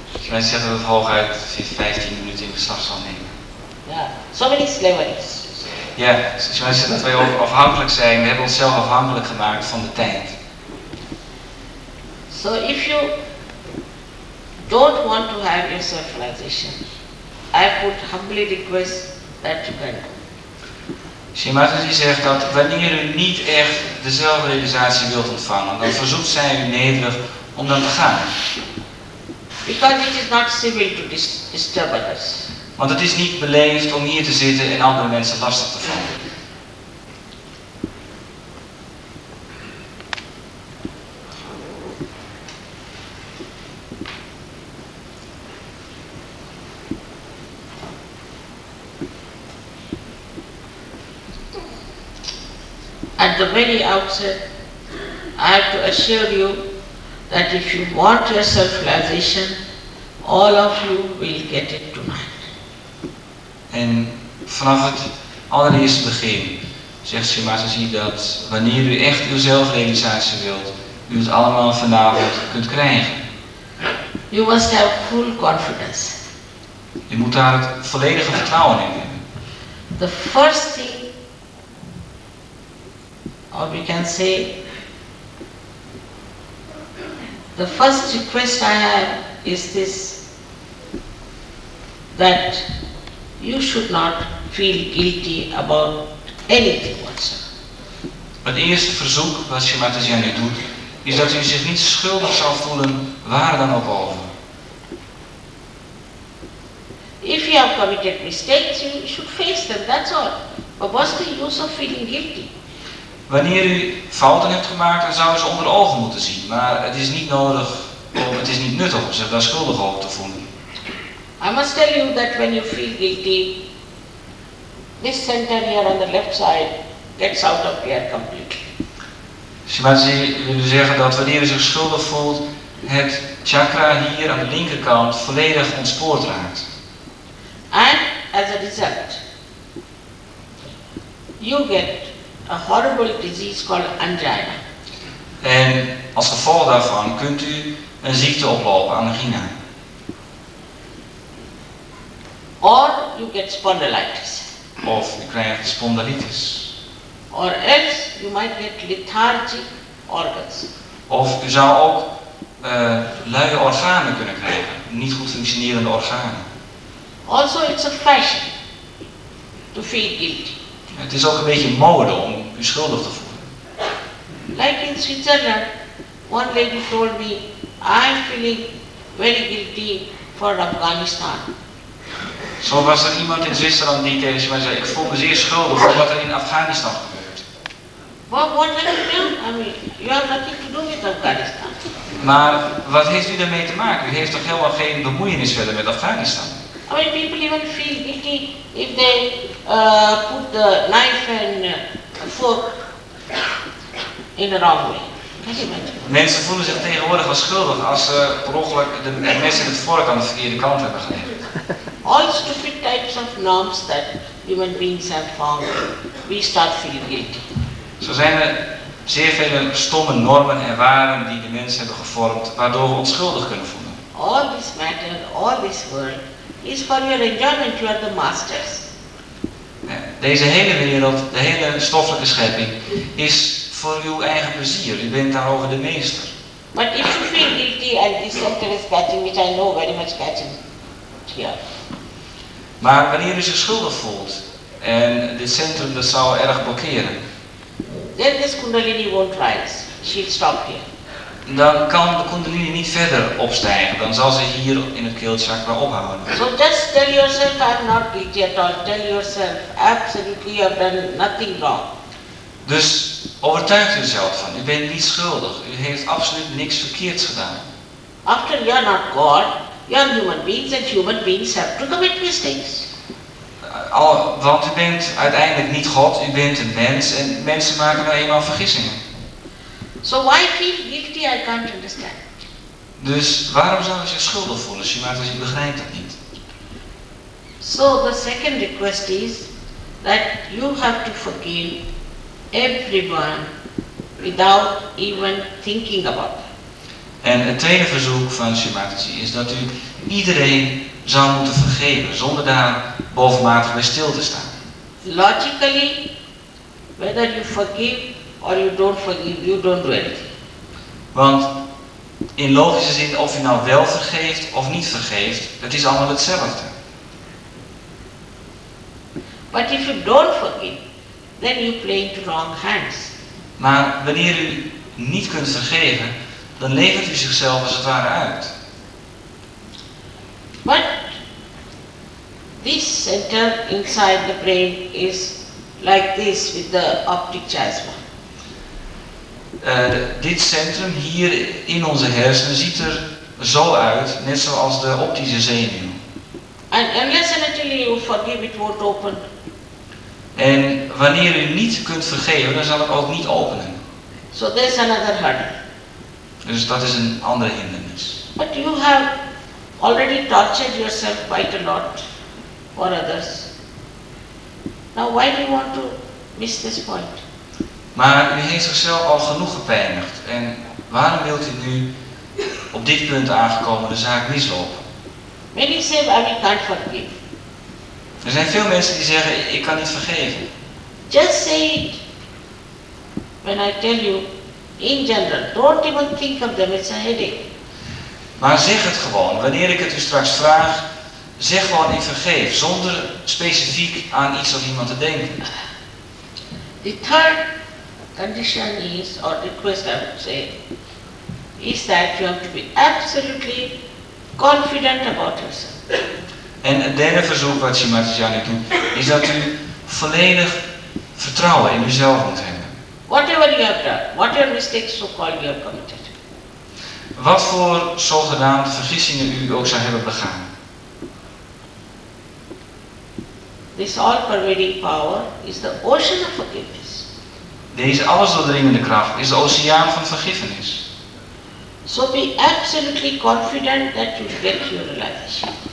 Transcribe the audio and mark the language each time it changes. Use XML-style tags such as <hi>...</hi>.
<nl>Mensen zeggen dat hooguit 15 minuten in beslag zal nemen.</nl> <en>Ja, so many slaveries.</en> <nl>Ja, mensen zeggen dat wij afhankelijk zijn. We hebben onszelf afhankelijk gemaakt van de tijd.</nl> <en>So if you don't want to have your self-realization, I would humbly request that you can.</en> <nl>Shimataji zegt dat wanneer u niet echt de zelfrealisatie wilt ontvangen, dan verzoekt zij u nederig om dan te gaan.</nl> <en>Because it is not civil to disturb others.</en> <nl>Want het is niet beleefd om hier te zitten en andere mensen lastig te vallen.</nl> <en>At the very outset, I have to assure you that if you want your self-realization, all of you will get it tonight.</en> <nl>En vanaf het allereerste begin zegt Sri Mataji dat wanneer u echt uw zelfrealisatie wilt, u het allemaal vanavond kunt krijgen.</nl> <en>You must have full confidence.</en> <nl>Je moet daar het volledige vertrouwen in hebben.</nl> <en>The first thing, or we can say, the first request I have is this, that you should not feel guilty about anything whatsoever.</en> <nl>Het eerste verzoek wat Sri Mataji nu doet, is dat u zich niet schuldig zal voelen, waar dan ook over.</nl> <en>If you have committed mistakes, you should face them, that's all. But what's the use of feeling guilty?</en> <nl>Wanneer u fouten hebt gemaakt, dan zou u ze onder de ogen moeten zien. Maar het is niet nodig, of het is niet nuttig om zich daar schuldig over te voelen.</nl> <en>I must tell you that when you feel guilty, this center here on the left side gets out of here completely.</en> <nl>Shimazi wil zeggen dat wanneer u zich schuldig voelt, het chakra hier aan de linkerkant volledig ontspoord raakt.</nl> <en>And as a result, you get a horrible disease called angina.</en> <nl>En als gevolg daarvan kunt u een ziekte oplopen, angina.</nl> <en>Or you get spondylitis.</en> <nl>Of u krijgt spondylitis.</nl> <en>Or else you might get lethargic organs.</en> <nl>Of u zou ook luie organen kunnen krijgen, niet goed functionerende organen.</nl> <en>Also, it's a fashion to feel guilty.</en> <nl>Het is ook een beetje mode om u schuldig te voelen.</nl> <en>Like in Switzerland, one lady told me, I'm feeling very guilty for Afghanistan.</en> <nl>Zo was er iemand in Zwitserland die tegen mij zei, ik voel me zeer schuldig voor wat er in Afghanistan gebeurt.</nl> <en>What did you do? I mean, you have nothing to do with Afghanistan.</en> <nl>Maar wat heeft u daarmee te maken? U heeft toch helemaal geen bemoeienis verder met Afghanistan?</nl> <en>I mean, people even feel guilty if they put the knife and fork in the wrong way.</en> <nl>Mensen voelen zich tegenwoordig wel schuldig als ze per ongeluk de mes en het vork aan de verkeerde kant hebben gelegd.</nl> <en>All stupid types of norms that human beings have found, we start feeling guilty.</en> <nl>Zo zijn er zeer vele stomme normen en waarden die de mensen hebben gevormd, waardoor we ons schuldig kunnen voelen.</nl> <en>All this matter, all this world, is for your enjoyment, you are the masters.</en> <nl>Deze hele wereld, de hele stoffelijke schepping, is voor uw eigen plezier. U bent daarover de meester.</nl> <en>But if you feel guilty and this center is catching, which I know very much catching here.</en> <nl>Maar wanneer u zich schuldig voelt en dit centrum dat zou erg blokkeren.</nl> <en>Then this kundalini won't rise. She'll stop here.</en> <nl>Dan kan de kundalini niet verder opstijgen. Dan zal ze hier in het keelchakra ophouden.</nl> <en>So just tell yourself I'm not guilty at all. Tell yourself absolutely you have done nothing wrong.</en> <nl>Dus overtuigt u zelf van, u bent niet schuldig. U heeft absoluut niks verkeerds gedaan.</nl> <en>After you are not God, you are human beings and human beings have to commit mistakes.</en> <nl>Want u bent uiteindelijk niet God, u bent een mens en mensen maken nou eenmaal vergissingen.</nl> <en>So why feel guilty? I can't understand.</en> <nl>Dus waarom zou u zich schuldig voelen? Sri Mataji begrijpt dat niet.</nl> <en>So the second request is that you have to forgive everyone without even thinking about them.</en> <nl>En het tweede verzoek van Sri Mataji is dat u iedereen zou moeten vergeven zonder daar bovenmatig bij stil te staan.</nl> <en>Logically, whether you forgive or you don't forgive, you don't do anything.</en> <nl>Want in logische zin, of je nou wel vergeeft of niet vergeeft, het is allemaal hetzelfde.</nl> <en>But if you don't forgive, then you play into wrong hands.</en> <nl>Maar wanneer u niet kunt vergeven, dan levert u zichzelf als het ware uit.</nl> <en>But this center inside the brain is like this with the optic chiasma.</en> <nl>Dit centrum hier in onze hersenen ziet er zo uit, net zoals de optische zenuw.</nl> <en>And unless and until you forgive, it won't open.</en> <nl>En wanneer u niet kunt vergeven, dan zal het ook niet openen.</nl> <en>So there's another hurdle.</en> <nl>Dus dat is een andere hindernis.</nl> <en>But you have already tortured yourself quite a lot for others. Now why do you want to miss this point?</en> <nl>Maar u heeft zichzelf al genoeg gepijnigd. En waarom wilt u nu op dit punt aangekomen de zaak mislopen?</nl> <en>Many say that we can't forgive.</en> <nl>Er zijn veel mensen die zeggen ik kan niet vergeven.</nl> <en>Just say it when I tell you in general. Don't even think of them, it's a headache.</en> <nl>Maar zeg het gewoon, wanneer ik het u straks vraag, zeg gewoon ik vergeef, zonder specifiek aan iets of iemand te denken.</nl> <en>The third condition is, or request I would say, is that you have to be absolutely confident about yourself.</en> <nl>En het derde verzoek wat Shri Mataji doet, is dat u volledig vertrouwen in uzelf moet hebben.</nl> <en>Whatever you have done, whatever mistakes so called you have committed.</en> <nl>Wat voor zogenaamde vergissingen u ook zou hebben begaan.</nl> <en>This all pervading power is the ocean of forgiveness.</en> <nl>Deze allesdoordringende kracht is de oceaan van vergiffenis.</nl> <en>So be absolutely confident that you get your realization.</en>